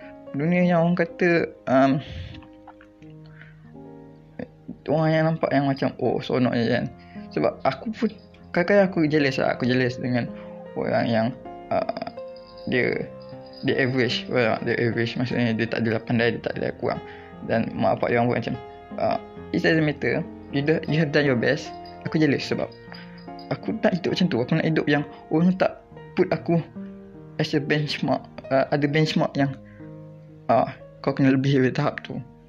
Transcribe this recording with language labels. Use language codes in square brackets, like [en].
[ms] Dunia yang orang kata orang yang nampak yang macam, oh sonok je kan. Sebab aku pun kadang-kadang aku jealous lah. Aku jealous dengan orang yang dia average. Well, dia average maksudnya dia tak adalah pandai, dia tak adalah kurang. Dan mak bapak dia orang pun macam, [en] it doesn't matter, you have done your best. [ms] Aku jealous sebab aku nak hidup macam tu. Aku nak hidup yang orang tak put aku [en] as a benchmark, [ms] ada benchmark yang kau kena lebih dari tahap tu.